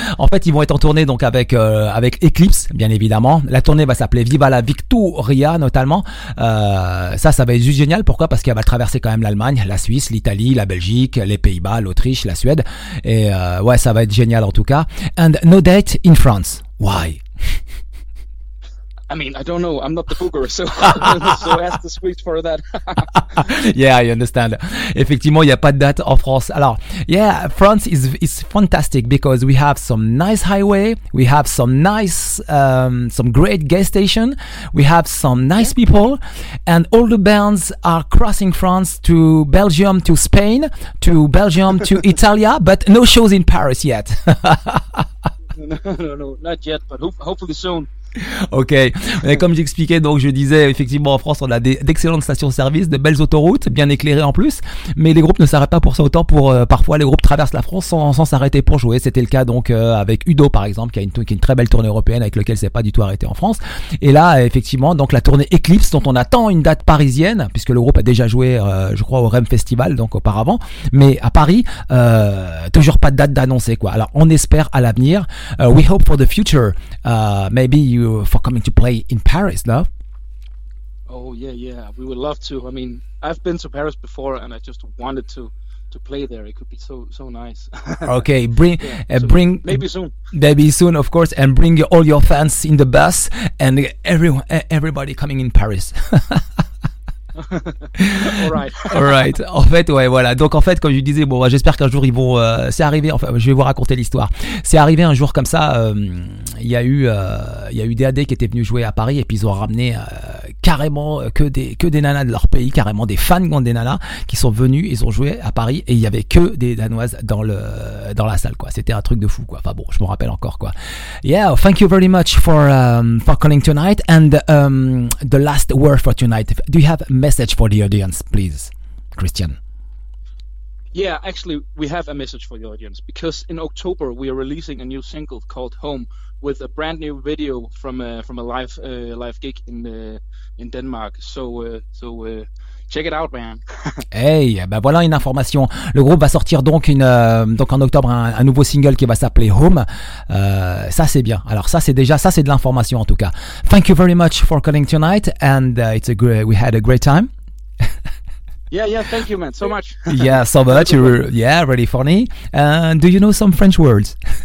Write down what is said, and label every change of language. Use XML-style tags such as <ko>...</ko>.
<fr>En fait, ils vont être en tournée donc avec Eclipse, bien évidemment. La tournée va s'appeler Viva la Victoria, notamment. Ça va être juste génial. Pourquoi? Parce qu'elle va traverser quand même l'Allemagne, la Suisse, l'Italie, la Belgique, les Pays-Bas, l'Autriche, la Suède. Et ouais, ça va être génial en tout cas.</fr> <en>And no date in France. Why? I mean, I don't know. I'm not the booker, so ask the Swedes for that. Yeah, I understand.</en> <fr>Effectivement, il n'y a pas de date en France.</fr> <en>Alors, yeah, France is fantastic because we have some nice highway, we have some nice, some great gas station, we have some nice people, and all the bands are crossing France to Belgium, to Spain, to Belgium, to Italia, but no shows in Paris yet. No, not yet, but hopefully soon.</en> <fr>Ok, mais comme j'expliquais, donc je disais effectivement en France on a d'excellentes stations-service, de belles autoroutes, bien éclairées en plus, mais les groupes ne s'arrêtent pas pour ça autant, parfois les groupes traversent la France sans s'arrêter pour jouer, c'était le cas donc avec Udo par exemple, qui a une très belle tournée européenne avec lequel c'est pas du tout arrêté en France, et là effectivement donc la tournée Eclipse dont on attend une date parisienne, puisque le groupe a déjà joué je crois au REM Festival donc auparavant, mais à Paris, toujours pas de date d'annoncer quoi, alors on espère à l'avenir,</fr> <en>we hope for the future, maybe you for coming to play in Paris, no? Oh yeah, we would love to. I mean, I've been to Paris before and I just wanted to play there. It could be so nice. Okay, bring bring maybe soon. Maybe soon, of course, and bring all your fans in the bus and everybody coming in Paris. All right.</en> <fr>En fait, ouais, voilà. Donc, en fait, comme je disais, bon, j'espère qu'un jour ils vont. C'est arrivé. Enfin, je vais vous raconter l'histoire. C'est arrivé un jour comme ça. Il y a eu DAD qui était venu jouer à Paris et puis ils ont ramené carrément que des nanas de leur pays, carrément des fans des nanas qui sont venus. Ils ont joué à Paris et il y avait que des danoises dans la salle, quoi. C'était un truc de fou, quoi. Enfin bon, je me rappelle encore, quoi.</fr> <en>Yeah, thank you very much for calling tonight and the last word for tonight. Do you have message for the audience, please, Christian? Yeah, actually, we have a message for the audience because in October we are releasing a new single called Home with a brand new video from a live gig in Denmark. So check it out, man.</en> <fr>Hey, ben voilà une information. Le groupe va sortir donc en octobre un nouveau single qui va s'appeler Home. Ça c'est bien. Alors ça c'est de l'information en tout cas.</fr> <en>Thank you very much for calling tonight and we had a great time. Yeah, thank you, man, so much. Yeah, so much. Yeah, really funny. And do you know some French words?</en>